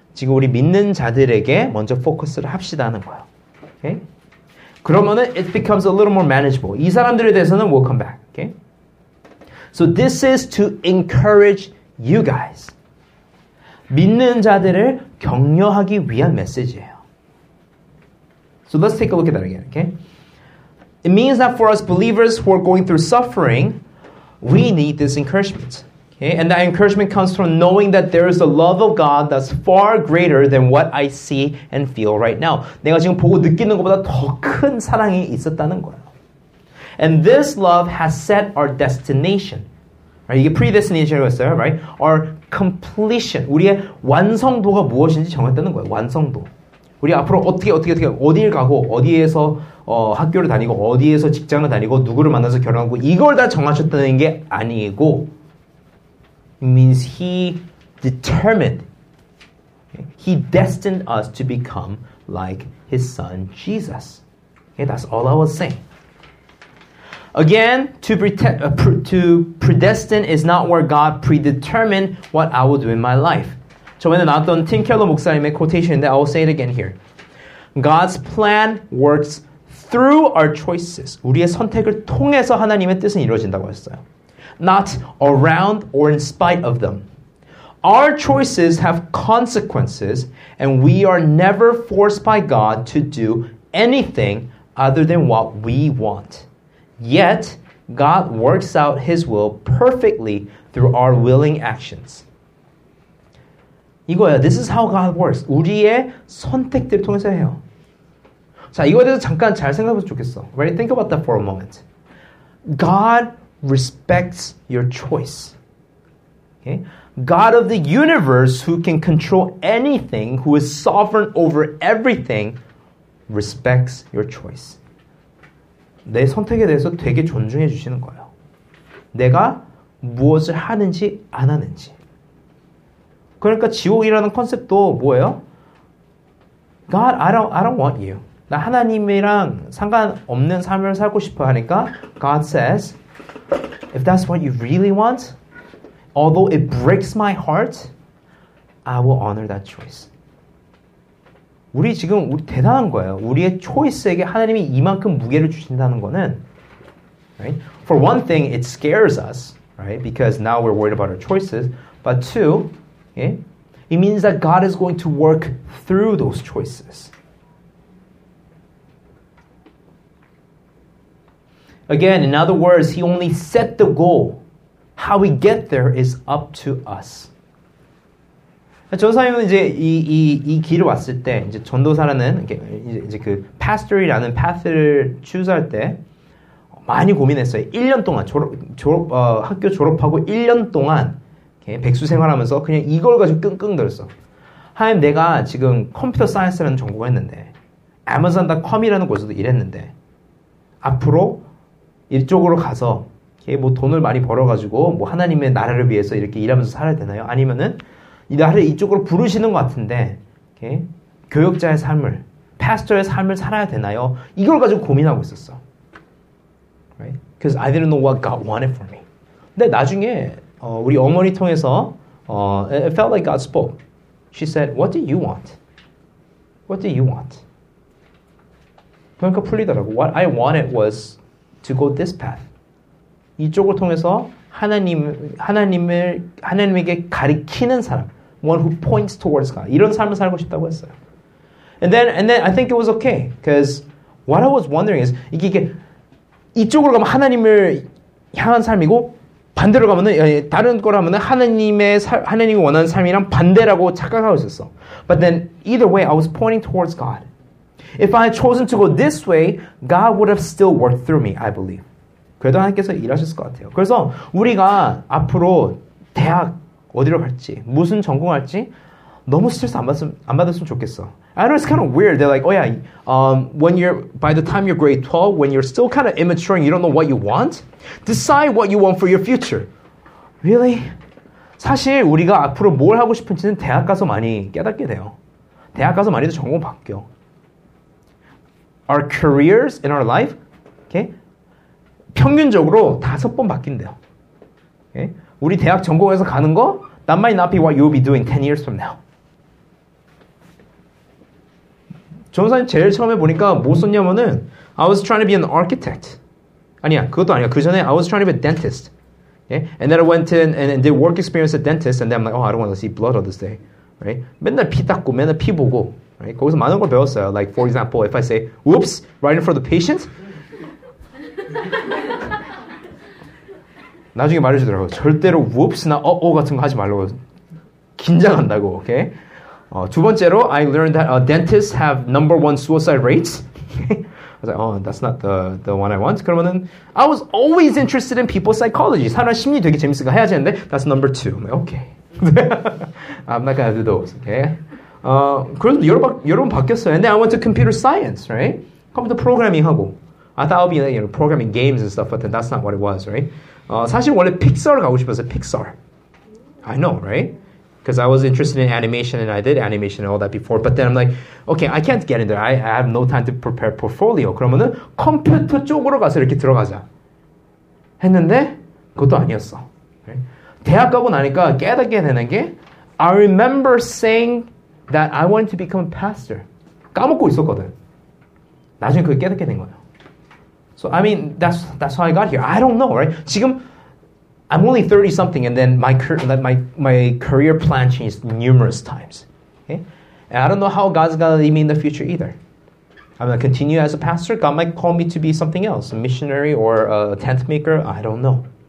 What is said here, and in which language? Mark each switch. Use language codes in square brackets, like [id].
[ko] 지금 우리 믿는 자들에게 먼저 포커스를 합시다 하는 거예요. [en] Okay? [ko] 그러면은 [en] it becomes a little more manageable. [ko] 이 사람들에 대해서는 [en] we'll come back. Okay? So this is to encourage you guys. [ko] 믿는 자들을 격려하기 위한 메시지예요. [en] So let's take a look at that again. Okay? It means that for us believers who are going through suffering, we need this encouragement. Okay? And that encouragement comes from knowing that there is a love of God that's far greater than what I see and feel right now. [ko] 내가 지금 보고 느끼는 것보다 더 큰 사랑이 있었다는 거예요. [en] And this love has set our destination. Right? [ko] 이게 predestination이라고 했어요, [en] right? Our completion. [ko] 우리의 완성도가 무엇인지 정했다는 거예요. 완성도. 우리 앞으로 어떻게 어딜 가고 어디에서 학교를 다니고 어디에서 직장을 다니고 누구를 만나서 결혼하고 이걸 다 정하셨다는 게 아니고 [en] It means he determined, he destined us to become like his son Jesus. Okay, that's all I was saying. Again, to predestine is not where God predetermined what I will do in my life. [ko] 저번에 나왔던 팀 켈러 목사님의 quotation인데 [en] I will say it again here. God's plan works through our choices. [ko] 우리의 선택을 통해서 하나님의 뜻은 이루어진다고 했어요. [en] Not around or in spite of them. Our choices have consequences, and we are never forced by God to do anything other than what we want. Yet, God works out His will perfectly through our willing actions. [ko] 이거야. [en] This is how God works. [ko] 우리의 선택들 통해서 해요. 자, 이거에 대해서 잠깐 잘 생각해 보면 좋겠어. [en] Right? Think about that for a moment. God respects your choice. Okay? God of the universe, who can control anything, who is sovereign over everything, respects your choice. [ko] 내 선택에 대해서 되게 존중해 주시는 거예요. 내가 무엇을 하는지 안 하는지. 그러니까 지옥이라는 컨셉도 뭐예요? [en] God, I don't want you. [ko] 나 하나님이랑 상관없는 삶을 살고 싶어 하니까 [en] God says, if that's what you really want, although it breaks my heart, I will honor that choice. [ko] 우리 지금 우리 대단한 거예요. 우리의 choice에게 하나님이 이만큼 무게를 주신다는 거는 [en] right? For one thing, it scares us, right? Because now we're worried about our choices. But two, okay? It means that God is going to work through those choices. Again, in other words, he only set the goal. How we get there is up to us. [ko] 전사님은 이제 이 길을 왔을 때 이제 전도사라는 이제 그 파스터라는 파스를 추수할 때 많이 고민했어요. 1년 동안 학교 졸업하고 1년 동안 백수 생활하면서 그냥 이걸 가지고 끙끙거렸어. 하나님, 내가 지금 컴퓨터 사이언스라는 전공을 했는데 Amazon.com이라는 곳에서도 일했는데 앞으로 이쪽으로 가서 뭐 돈을 많이 벌어가지고 뭐 하나님의 나라를 위해서 이렇게 일하면서 살아야 되나요? 아니면은 나를 이쪽으로 부르시는 것 같은데 교역자의 삶을, 파스터의 삶을 살아야 되나요? 이걸 가지고 고민하고 있었어. [en] Right? Because I didn't know what God wanted for me. [ko] 근데 나중에 우리 어머니 통해서 [en] it felt like God spoke. She said, what do you want? What do you want? [ko] 그러니까 풀리더라고. [en] What I wanted was to go this path. [ko] 이쪽을 통해서 하나님에게 가리키는 사람. [en] One who points towards God. [ko] 이런 삶을 살고 싶다고 했어요. [en] And then I think it was okay. Because what I was wondering is, [ko] 이게 이쪽으로 가면 하나님을 향한 삶이고, 반대로 가면은 다른 거라면은 하나님이 원하는 삶이랑 반대라고 착각하고 있었어. [en] But then either way, I was pointing towards God. If I had chosen to go this way, God would have still worked through me, I believe. [ko] 그래도 하나님께서 일하셨을 것 같아요. 그래서 우리가 앞으로 대학 어디로 갈지, 무슨 전공 할지 너무 스트레스 안 받았으면 좋겠어. [en] I know it's kind of weird. They're like, oh yeah, when you're by the time you're grade 12, when you're still kind of immature and you don't know what you want, decide what you want for your future. Really? [ko] 사실 우리가 앞으로 뭘 하고 싶은지는 대학 가서 많이 깨닫게 돼요. 대학 가서 많이도 전공 바뀌어. [en] Our careers in our life, okay? [ko] 평균적으로 다섯 번 바뀐대요. [en] Okay? [ko] 우리 대학 전공해서 가는 거, [en] that might not be what you'll be doing 10 years from now. [ko] 전사님 제일 처음에 보니까 뭐 썼냐면은 [en] I was trying to be an architect. [ko] 아니야, 그것도 아니야. 그 전에 [en] I was trying to be a dentist. Yeah? And then I went in and did work experience at a dentist and then I'm like, oh, I don't want to see blood all this day. Right? [ko] 맨날 피 닦고, 맨날 피 보고. [en] Right? [ko] 거기서 많은 걸 배웠어요. [en] Like, for example, if I say, oops, right in front of the patient. [ko] 나중에 말해주더라고. 절대로 [en] whoops, [ko] 나 uh-oh 같은 거 하지 말라고. 긴장한다고, okay? 두 번째로, [en] I learned that dentists have number one suicide rates. I was like, oh, that's not the one I want. [ko] 그러면은, [en] I was always interested in people's psychology. [ko] 사람 심리 되게 재밌을 거 해야 되는데, [en] that's number two. I'm like, okay. I'm not gonna do those, okay? [ko] 그래도 여러 번 바뀌었어요. [en] And then I went to computer science, right? [ko] 컴퓨터 프로그래밍 하고. [en] I thought I'd be, you know, programming games and stuff, but then that's not what it was, right? [ko] 사실 원래 픽사를 가고 싶었어요. [en] 픽사. I know, right? Because I was interested in animation and I did animation and all that before. But then I'm like, okay, I can't get in there. I have no time to prepare portfolio. [ko] 그러면은 컴퓨터 쪽으로 가서 이렇게 들어가자. 했는데 그것도 아니었어. [en] Right? [ko] 대학 가고 나니까 깨닫게 되는 게 [en] I remember saying that I wanted to become a pastor. [ko] 까먹고 있었거든. 나중에 그걸 깨닫게 된 거예요. [en] So I mean, that's how I got here. I don't know, right? [ko] 지금 [en] I'm only 30 something, and then my career plan changed numerous times. Okay, and I don't know how God's gonna lead me in the future either. I'm gonna continue as a pastor. God might call me to be something else, a missionary or a tent maker. I don't know.